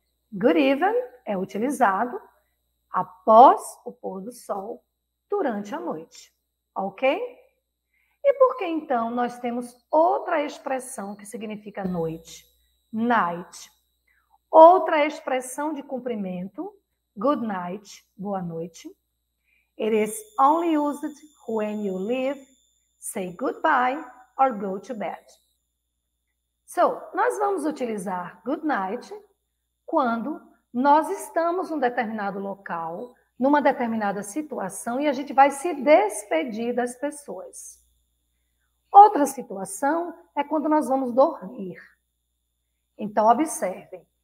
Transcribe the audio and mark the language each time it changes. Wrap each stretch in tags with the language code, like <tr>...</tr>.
<pt>Good even é utilizado após o pôr do sol, durante a noite. Ok? E por que então nós temos outra expressão que significa noite? Night. Outra expressão de cumprimento, good night, boa noite.</pt> <en>It is only used when you leave, say goodbye, or go to bed.</en> <pt>So, nós vamos utilizar good night quando nós estamos num determinado local, numa determinada situação e a gente vai se despedir das pessoas. Outra situação é quando nós vamos dormir. Então, observem.</pt>